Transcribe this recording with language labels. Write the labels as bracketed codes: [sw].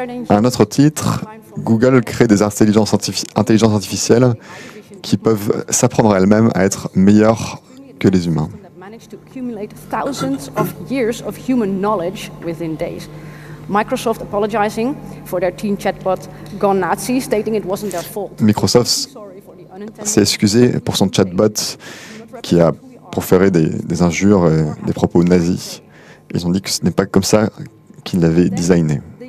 [fr] Un autre titre, Google crée des intelligences artificielles qui peuvent s'apprendre à elles-mêmes à être meilleures que les humains. [en] To accumulate thousands of years of human knowledge within days. Microsoft apologizing for their teen chatbot gone Nazi, stating it wasn't their fault. [fr] Microsoft s'est excusé pour son chatbot qui a proféré des injures et des propos nazis. Ils ont dit que ce n'est pas comme ça qu'ils l'avaient designé.